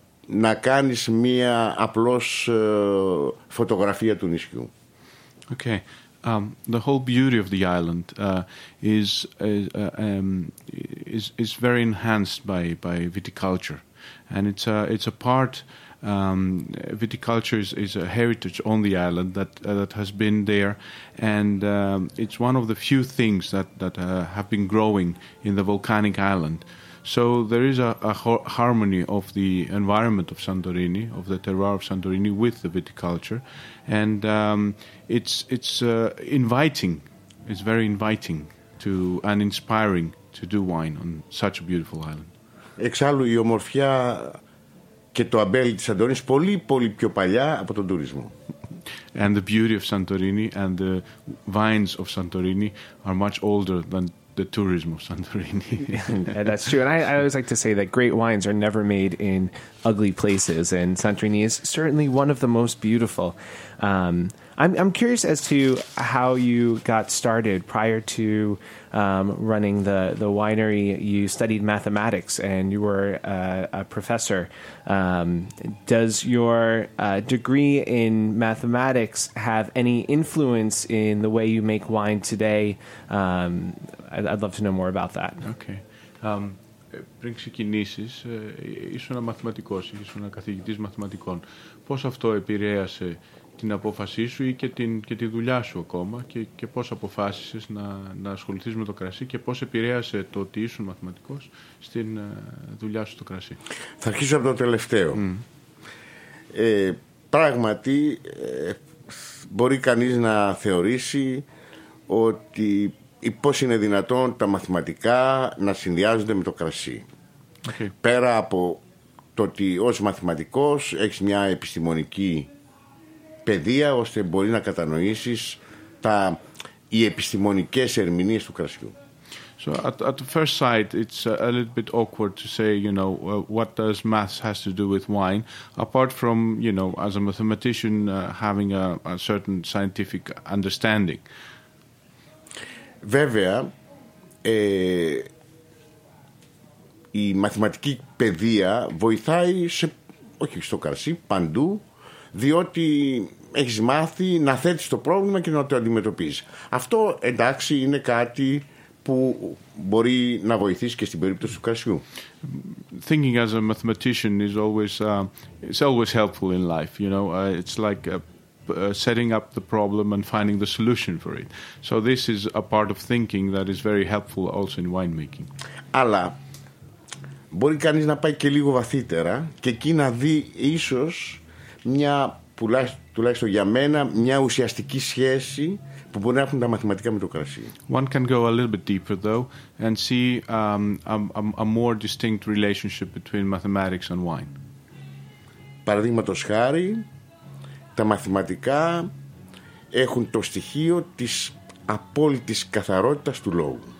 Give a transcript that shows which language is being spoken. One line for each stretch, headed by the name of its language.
Greek: να κάνεις μία απλώς φωτογραφία του νησιού.
English: Okay. The whole beauty of the island is very enhanced by viticulture, and it's a part. Viticulture is a heritage on the island that has been there, and it's one of the few things that have been growing in the volcanic island. So there is a harmony of the environment of Santorini, of the terroir of Santorini, with the viticulture, and it's inviting. It's very inviting to and inspiring to do wine on such a beautiful island.
Greek: Εξάλλου η ομορφιά και το αμπέλι της Σαντορίνης πολύ πολύ πιο παλιά από τον τουρισμό.
English: And the beauty of Santorini and the vines of Santorini are much older than the tourism of Santorini. Yeah, that's true. And I always like to say that great wines are never made in ugly places, and Santorini is certainly one of the most beautiful. I'm curious as to how you got started prior to running the winery. You studied mathematics and you were a professor. Does your degree in mathematics have any influence in the way you make wine today? I'd love to know more about that. Okay.
Greek: Πριν ξεκινήσεις, ήσουν ένα μαθηματικός, ήσουν ένα καθηγητής μαθηματικών. Πώς αυτό επηρέασε την απόφασή σου ή και τη δουλειά σου ακόμα και πώς αποφάσισες να ασχοληθείς με το κρασί και πώς επηρέασε το ότι ήσουν μαθηματικός στην δουλειά σου στο κρασί? Θα αρχίσω από το τελευταίο. Mm. Πράγματι, μπορεί κανείς να θεωρήσει ότι πώς είναι δυνατόν τα μαθηματικά να συνδυάζονται με το κρασί.
English: Okay.
Greek: Πέρα από το ότι ως μαθηματικός έχεις μια επιστημονική παιδεία ώστε μπορεί να κατανοήσεις οι επιστημονικές ερμηνείες του κρασιού.
English: So at the first sight, it's a little bit awkward to say, you know, what does math has to do with wine, apart from, you know, as a mathematician having a certain scientific understanding.
Greek: Βέβαια, η μαθηματική παιδεία βοηθάει όχι στο κρασί, παντού, διότι έχεις μάθει να θέτεις το πρόβλημα και να το αντιμετωπίζεις. Αυτό, εντάξει, είναι κάτι που μπορεί να βοηθήσει και στην περίπτωση του κρασιού.
English: Thinking as a mathematician is always it's always helpful in life, you know. It's like setting up the problem and finding the solution for it. So this is a part of thinking that is very helpful also in winemaking.
Greek: Αλλά μπορεί κανείς να πάει και λίγο βαθύτερα και εκεί να δει ίσως μια, τουλάχιστον για μένα, μια ουσιαστική σχέση που μπορεί να έχουν τα μαθηματικά με το κρασί.
English: One can go a little bit deeper though and see a more distinct relationship between mathematics and wine.
Greek: Παραδείγματος χάρη, τα μαθηματικά έχουν το στοιχείο της απόλυτης καθαρότητας του λόγου.